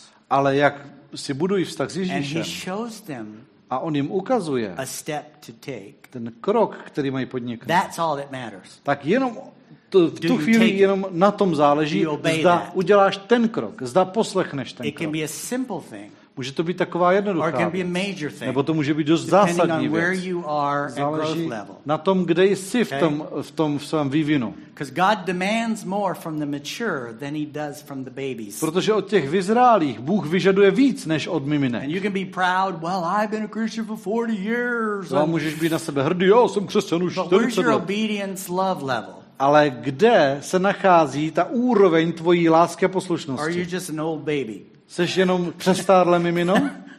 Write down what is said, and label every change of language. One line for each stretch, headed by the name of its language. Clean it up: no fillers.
Czech: Ale jak si budují vztah s Ježíšem a on jim ukazuje ten krok, který mají podniknout. Tak jenom v tu chvíli jenom na tom záleží, zda uděláš ten krok, zda poslechneš ten krok. Může to být taková jednoduchá
English: or can be a major thing,
Czech: nebo to může být dost zásadní
English: on Where you are
Czech: záleží
English: at growth level.
Czech: Na tom, kde jsi okay? v tom svém vývinu.
English: God demands more from the mature than he does from the babies.
Czech: Protože od těch vyzrálých Bůh vyžaduje víc než od miminek.
English: And you can be proud, well, I've been a Christian for 40 years.
Czech: A můžeš být na sebe hrdý, jo, jsem křesťan už 40 let.
English: But where's your obedience love level?
Czech: Ale kde se nachází ta úroveň tvojí lásky a poslušnosti?
English: Are you just an old baby?
Czech: Seš jenom přestárlé mimino?